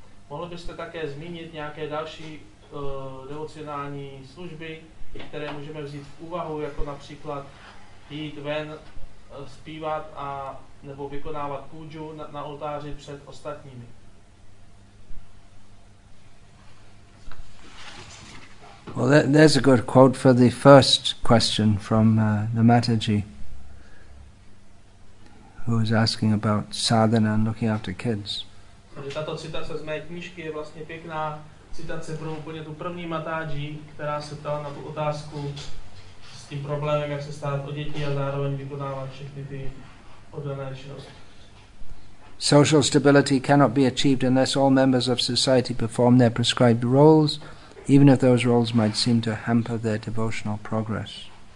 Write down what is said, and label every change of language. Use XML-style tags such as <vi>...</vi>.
<cs>Mohli byste také zmínit nějaké další devocionální služby, které můžeme vzít v úvahu, jako například jít ven, zpívat a nebo vykonávat půdžu na oltáři před ostatními.</cs> <en>Well, there's a good quote for the first question from the Mataji, who was asking about sadhana and looking after kids.</en> <cs>Tato citace z mé knížky je vlastně pěkná citace pro úplně tu první Mataji, která se ptala na tu otázku s tím problémem, jak se starat o děti a zároveň vykonávat všechny ty oddané činnosti.</cs> <en>Social stability cannot be achieved unless all members of society perform their prescribed roles, even if those roles might seem to hamper their devotional progress.</en>